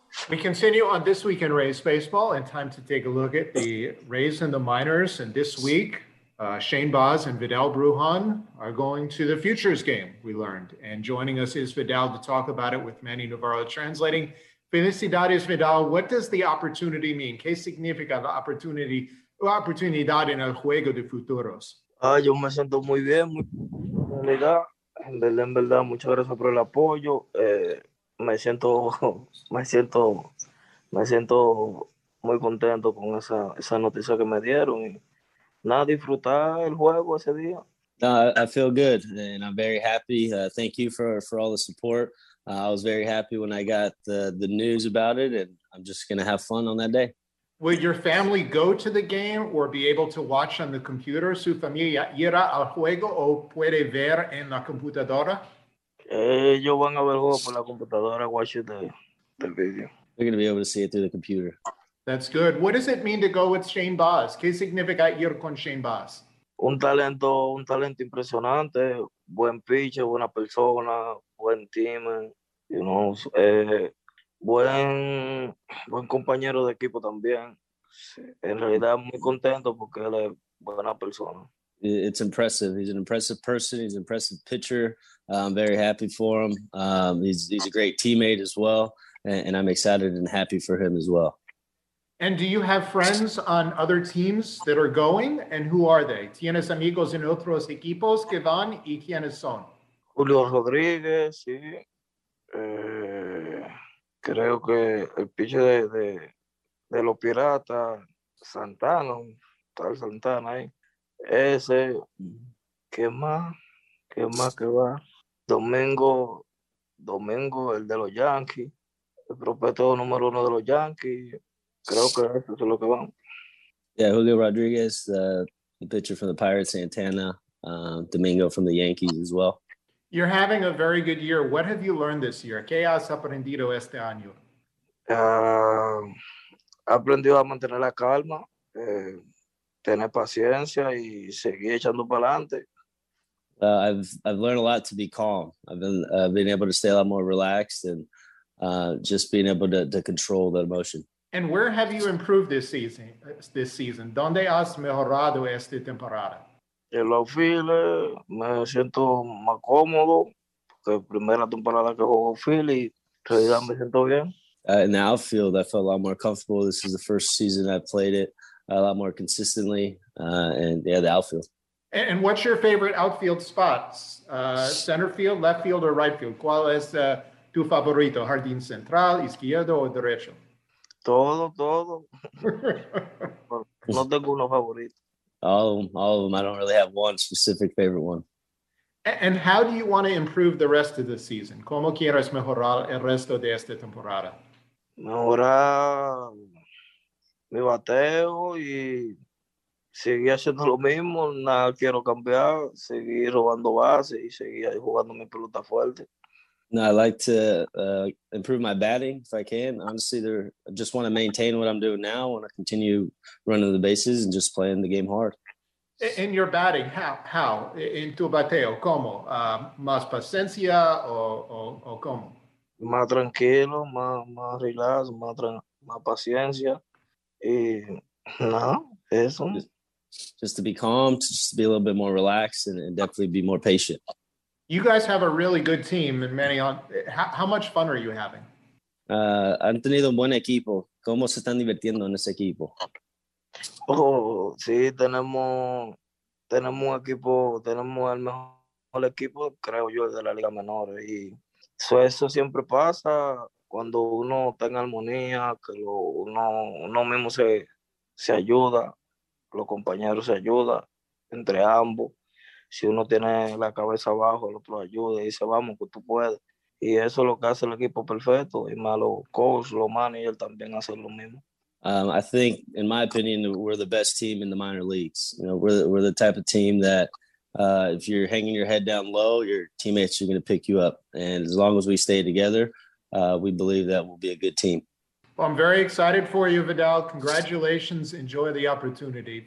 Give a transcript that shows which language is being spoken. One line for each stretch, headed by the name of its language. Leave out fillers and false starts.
English: We continue on This Week in Rays Baseball, and time to take a look at the Rays and the Miners. And this week, Shane Baz and Vidal Brujan are going to the Futures game, we learned. And joining us is Vidal to talk about it with Manny Navarro translating.
Spanish: Felicidades, Vidal.
English: What does the opportunity mean?
Spanish: ¿Qué significa la opportunity, oportunidad en el juego de futuros? Yo me siento muy bien, muy bien. En verdad, muchas gracias por el apoyo. Me siento muy contento con esa noticia que me dieron. Y nada, disfrutar el juego ese día.
English: No, I feel good and I'm very happy. Thank you for all the support. I was very happy when I got the news about it, and I'm just going to have fun on that day. Will your family go to the game or be able to watch on the computer?
Spanish: ¿Su familia irá al juego o puede ver en la computadora? Ellos van a ver el juego por la computadora,
English: watch the video. They're going to be able to see it through the computer. That's good. What does it mean to go with Shane Baz?
Spanish: ¿Qué significa ir con Shane Baz? Un talento impresionante, buen pitcher, buena persona, buen team,
English: you know,
Spanish: buen compañero de equipo también. En realidad, muy contento porque él es buena persona.
English: It's impressive. He's an impressive person. He's an impressive pitcher. I'm very happy for him. He's a great teammate as well, and I'm excited and happy for him as well. And do you have friends on other teams that are going, and who are they?
Spanish: ¿Tienes amigos en otros equipos que van y quiénes son? Julio Rodríguez, sí. Creo que el pitcher de los Piratas, Santana, tal Santana ahí. Ese, ¿qué más que va? Domingo, el de los Yankees, el prospecto número uno de los Yankees. Creo que eso es lo que van.
English: Yeah, Julio Rodríguez, the pitcher from the Pirates, Santana, Domingo from the Yankees as well. You're having a very good year. What have you learned this year?
Spanish: ¿Qué has aprendido este año? Aprendido a mantener la calma, tener paciencia y seguir echando para adelante.
English: I've learned a lot to be calm. I've been able to stay a lot more relaxed and just being able to control the emotion. And where have you improved this season?
Spanish: ¿Dónde has mejorado esta temporada? En los Phillies me siento más cómodo porque primera temporada que juego Philly, todavía me siento bien.
English: In the outfield, I felt a lot more comfortable. This is the first season I've played it a lot more consistently, the outfield. And what's your favorite outfield spots? Center field, left field, or right field?
Spanish: ¿Cuál es tu favorito? ¿Jardín central, izquierdo o derecho? Todo. No tengo uno favorito.
English: All of them. I don't really have one specific favorite one. And how do you want to improve the rest of the season?
Spanish: ¿Cómo quieres mejorar el resto de esta temporada? Mejorar mi bateo y seguir haciendo lo mismo. Nada quiero cambiar. Seguir robando bases y seguir jugando mi pelota fuerte.
English: No, I like to improve my batting if I can. Honestly, I just want to maintain what I'm doing now and I continue running the bases and just playing the game hard. In your batting, how? In
Spanish: tu bateo, ¿cómo? ¿Más paciencia o cómo? Más tranquilo, más relax, más paciencia. Y, no, eso.
English: Just to be calm, just to be a little bit more relaxed and definitely be more patient. You guys have a really good team, and Manny, how much fun are you having?
Spanish: Han tenido un buen equipo. ¿Cómo se están divirtiendo en ese equipo? Oh, sí, tenemos un equipo, tenemos el mejor equipo, creo yo, de la Liga Menor. Y eso siempre pasa cuando uno está en armonía, que uno mismo se ayuda, los compañeros se ayudan entre ambos. Si uno tiene la cabeza abajo, el otro ayuda y dice, vamos, que tú puedes. Y eso es lo que hace el equipo perfecto. Y más los coach, los managers también hacen lo mismo.
English: I think, in my opinion, we're the best team in the minor leagues. You know, we're the type of team that if you're hanging your head down low, your teammates are going to pick you up. And as long as we stay together, we believe that we'll be a good team. Well, I'm very excited for you, Vidal. Congratulations. Enjoy the opportunity.